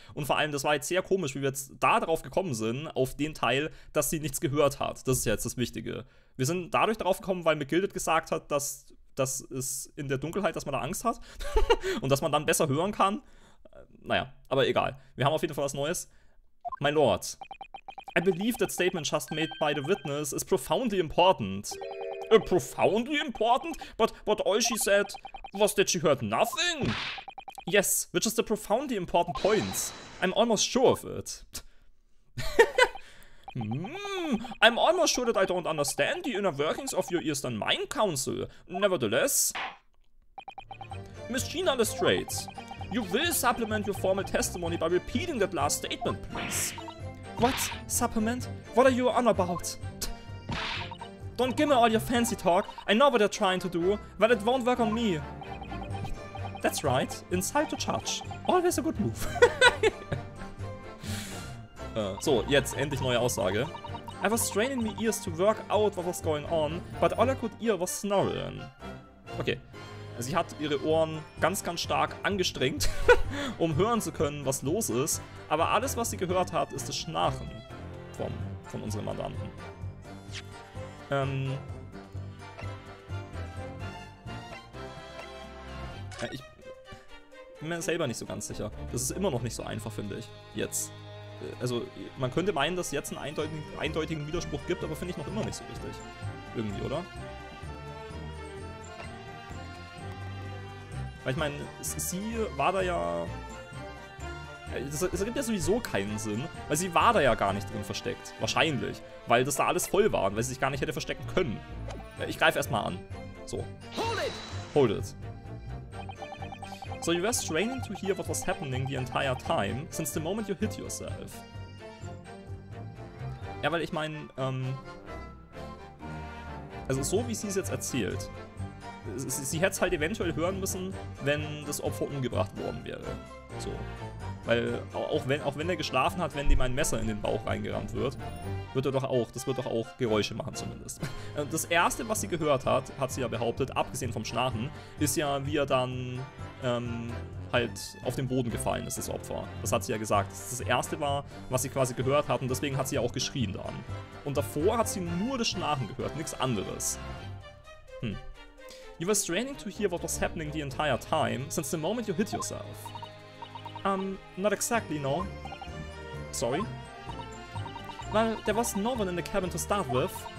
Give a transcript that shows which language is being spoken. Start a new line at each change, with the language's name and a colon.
German: Und vor allem, das war jetzt sehr komisch, wie wir jetzt da drauf gekommen sind, auf den Teil, dass sie nichts gehört hat. Das ist ja jetzt das Wichtige. Wir sind dadurch drauf gekommen, weil McGilde gesagt hat, dass es in der Dunkelheit, dass man da Angst hat und dass man dann besser hören kann. Naja, aber egal. Wir haben auf jeden Fall was Neues.
English: My Lord, I believe that statement just made by the witness is profoundly important. Profoundly important? But what all she said was that she heard nothing? Yes, which is the profoundly important point. I'm almost sure of it. I'm almost sure that I don't understand the inner workings of your Eastern Mind Council. Nevertheless, Miss Gina Lestrade. You will supplement your formal testimony by repeating that last statement, please. What? Supplement? What are you on about? Don't give me all your fancy talk. I know what you're trying to do, but it won't work on me. That's right. Inside the charge. Always a good move.
German: So, jetzt endlich neue Aussage.
English: I was straining my ears to work out what was going on, but all I could hear was snoring. Okay.
German: Sie hat ihre Ohren ganz, ganz stark angestrengt, um hören zu können, was los ist. Aber alles, was sie gehört hat, ist das Schnarchen von unserem Mandanten. Ja, ich bin mir selber nicht so ganz sicher. Das ist immer noch nicht so einfach, finde ich. Jetzt. Also, man könnte meinen, dass es jetzt einen eindeutigen Widerspruch gibt, aber finde ich noch immer nicht so richtig. Irgendwie, oder? Weil ich meine, sie war da ja... Es ergibt ja sowieso keinen Sinn, weil sie war da ja gar nicht drin versteckt. Wahrscheinlich. Weil das da alles voll war und weil sie sich gar nicht hätte verstecken können. Ich greife erstmal an. So.
English: Hold it! Hold it. So you were straining to hear what was happening the entire time, since the moment you hit yourself.
German: Ja, weil ich meine, also so wie sie es jetzt erzählt. Sie hätte es halt eventuell hören müssen, wenn das Opfer umgebracht worden wäre. So. Weil auch wenn er geschlafen hat, wenn ihm ein Messer in den Bauch reingerammt wird, wird doch auch Geräusche machen zumindest. Das erste, was sie gehört hat, hat sie ja behauptet, abgesehen vom Schnarchen, ist ja, wie er dann halt auf den Boden gefallen ist, das Opfer. Das hat sie ja gesagt. Das erste war, was sie quasi gehört hat und deswegen hat sie ja auch geschrien dann. Und davor hat sie nur das Schnarchen gehört, nichts anderes. Hm.
English: You were straining to hear what was happening the entire time, since the moment you hit yourself. Not exactly, no. Sorry? Well, there was no one in the cabin to start with.